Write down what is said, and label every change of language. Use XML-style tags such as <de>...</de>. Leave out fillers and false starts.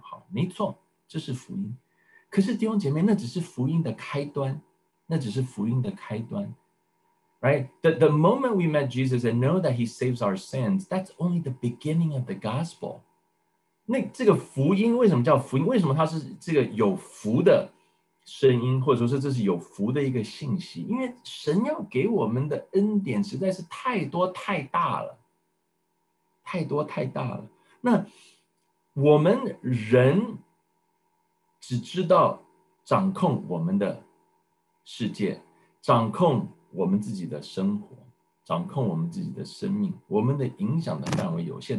<zh>好，没错，这是福音。可是弟兄姐妹，那只是福音的开端，那只是福音的开端。</zh> <en>Right? The moment we met Jesus and know that he saves our sins, that's only the beginning of the gospel.</en> <zh>那这个福音为什么叫福音？为什么它是这个有福的声音，或者说是这是有福的一个信息？因为神要给我们的恩典实在是太多太大了，太多太大了。那我们人只知道掌控我们的世界，掌控我们自己的生活，掌控我们自己的生命，我们的影响的范围有限。</zh>